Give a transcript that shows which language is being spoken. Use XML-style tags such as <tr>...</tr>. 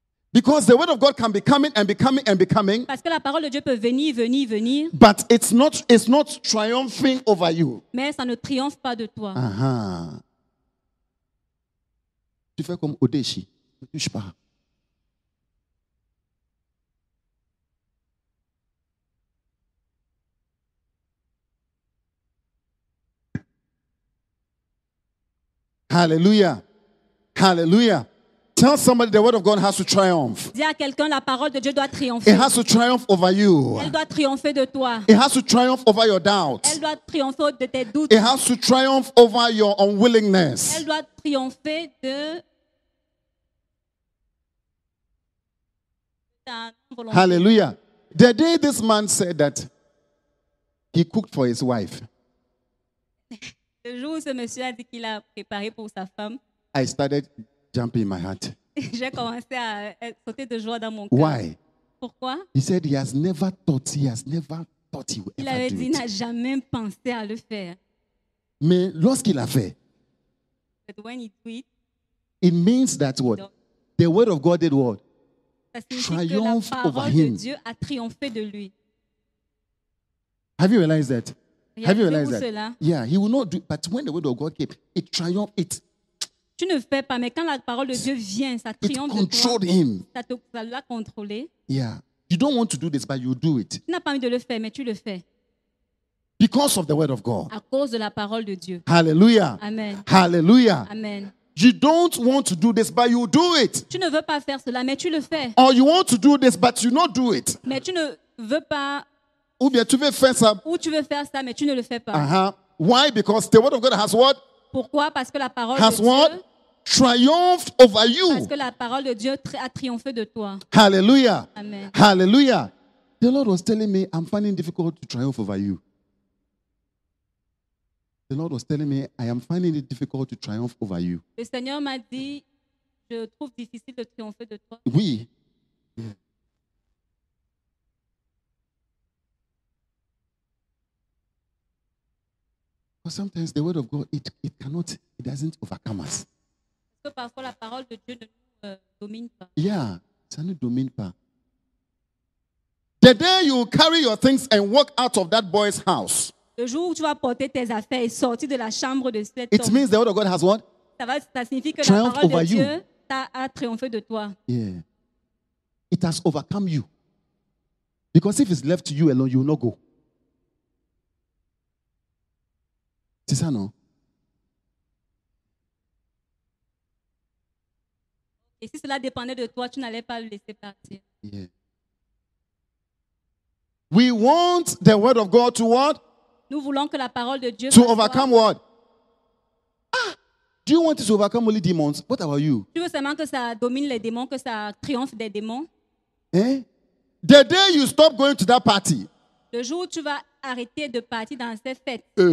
<en>Because the word of God can be coming and be coming and be coming.</en> <fr>Parce que la parole de Dieu peut venir, venir, venir.</fr> <en>But it's not triumphing over you.</en> <fr>Mais ça ne triomphe pas de toi. Uh-huh. Tu fais comme Odéchi, ne touche pas.</fr> <en>Hallelujah. Hallelujah. Tell somebody the word of God has to triumph.</en> <fr>Dis à quelqu'un la parole de Dieu doit triompher.</fr> <en>It has to triumph over you.</en> <fr>Elle doit triompher de toi.</fr> <en>It has to triumph over your doubts.</en> <fr>Elle doit triompher de tes doutes.</fr> <en>It has to triumph over your unwillingness.</en> <fr>Elle doit triompher de</fr> <en>Hallelujah. The day this man said that he cooked for his wife,</en> <fr>le jour où ce monsieur a dit qu'il a préparé pour sa femme,</fr> <en>I started jumping in my heart.</en> <fr>J'ai commencé à sauter de joie dans mon</fr> <en>cœur. Why?</en> <fr>Pourquoi?</fr> <en>He said he has never thought he would ever do it.</en> <fr>Il avait dit n'a jamais pensé à le faire. Mais lorsqu'il a fait,</fr> <en>but when he tweet, it means that what? The word of God did what? Triumph over him.</en> <fr>Dieu a triomphé de lui.</fr> <en>Have you realized that? Have you realized that?</en> <fr>Cela?</fr> <en>Yeah, he will not do it. But when the word of God came, it triumphed it.</en> <fr>Tu ne fais pas, mais quand la parole de Dieu vient, ça triomphe.</fr> <en>It controlled him.</en> <fr>Ça l'a contrôlé.</fr> <en>Yeah. You don't want to do this, but you do it.</en> <fr>Tu n'as pas envie de le faire, mais tu le fais.</fr> <en>Because of the word of God.</en> <fr>À cause de la parole de Dieu.</fr> <en>Hallelujah. Amen. Hallelujah. Amen. You don't want to do this, but you do it.</en> <fr>Tu ne veux pas faire cela, mais tu le fais.</fr> <en>Or you want to do this, but you not do it.</en> <fr>Mais tu ne veux pas. Ou bien tu veux faire ça. Ou tu veux faire ça, mais tu ne le fais pas.</fr> <en>Why? Because the word of God has what?</en> <fr>Pourquoi? Parce que la parole</fr> <en>has</en> <fr>de Dieu</fr> <en>what? Triumphed over you.</en> <fr>Parce que la parole de Dieu a triomphé de toi.</fr> <en>Hallelujah. Amen. Hallelujah. The Lord was telling me, I'm finding it difficult to triumph over you. The Lord was telling me, I am finding it difficult to triumph over you.</en> <fr>Le Seigneur m'a dit, je trouve difficile de triompher de toi. Oui.</fr> <en>But sometimes the word of God, it doesn't overcome us.</en> <fr>Parce que parfois la parole de Dieu ne nous domine pas. Yeah, ça ne domine pas.</fr> <en>The day you carry your things and walk out of that boy's house,</en> <fr>le jour où tu vas porter tes affaires et sortir de la chambre de cet homme,</fr> <en>it means the word of God has what?</en> <fr>Ça signifie que triumphed la parole de Dieu a triomphé de toi.</fr> <en>Yeah. It has overcome you. Because if it's left to you alone, you will not go.</en> <fr>C'est ça, non? Et si cela dépendait de toi, tu n'allais pas le laisser partir.</fr> <en>Yeah. We want the word of God to what?</en> <fr>Nous voulons que la parole de Dieu</fr> <en>to overcome soit... what? Do you want it to overcome only demons? What about you?</en> <fr>Tu veux seulement que ça domine les démons, que ça triomphe des démons? Eh?</fr> <en>The day you stop going to that party.</en> <fr>Le jour où tu vas arrêter de partir dans cette fête.</fr>